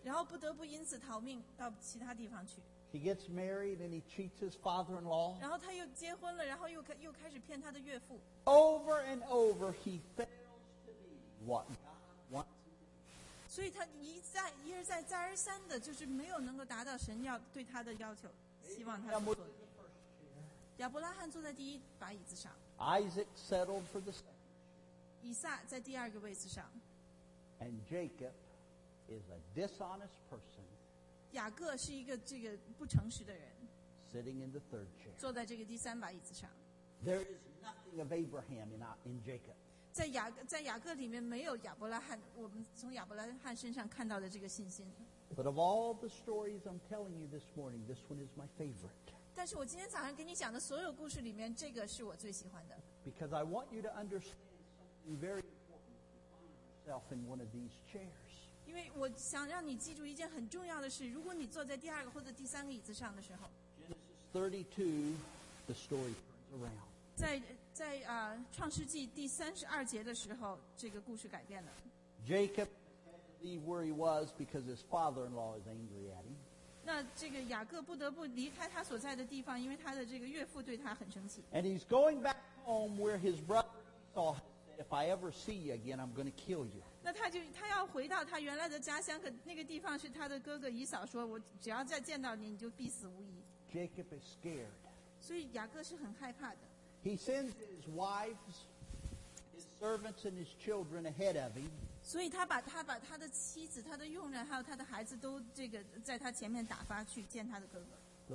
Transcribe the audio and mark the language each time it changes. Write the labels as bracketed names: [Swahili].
[Chinese] 然后不得不因此逃命到其他地方去 [English] He gets married and he cheats his father-in-law. [Chinese] 然后他又结婚了然后又开始骗他的岳父 [English] Over and over he fails to be what God wants him to be. [Chinese] 所以他一而再再而三的就是没有能够达到神要对他的要求希望他所做的亚伯拉罕坐在第一把椅子上 [English] Isaac settled for the second. [Chinese] 以撒在第二个位置上。 [English] And Jacob is a dishonest person. [Chinese] 雅各是一个这个不诚实的人。 [English] Sitting in the third chair. [Chinese] 坐在这个第三把椅子上。 [English] There is nothing of Abraham in Jacob. [Chinese] 在雅各里面没有亚伯拉罕，我们从亚伯拉罕身上看到的这个信心。 [English] But of all the stories I'm telling you this morning, this one is my favorite. [Chinese] 但是我今天早上给你讲的所有故事里面，这个是我最喜欢的。 [English] Because I want you to understand. Very important to find yourself in one of these chairs. [Chinese] 因为我想让你记住一件很重要的事，如果你坐在第二个或者第三个椅子上的时候 [English] ，Genesis 32, the story turns around. [Chinese] 在创世纪第三十二节的时候，这个故事改变了。 [English] Jacob had to leave where he was because his father-in-law is angry at him. [Chinese] 那这个雅各不得不离开他所在的地方，因为他的这个岳父对他很生气。 [English] And he's going back home where his brother saw. If I ever see you again, I'm going to kill you. [Chinese] 那他要回到他原来的家乡，可那个地方是他的哥哥以扫说，我只要再见到你，你就必死无疑。 [English] Jacob is scared. [Chinese] 所以雅各是很害怕的。 [English] He sends his wives, his servants, and his children ahead of him. [Chinese] 所以他把他的妻子、他的佣人还有他的孩子都这个在他前面打发去见他的哥哥。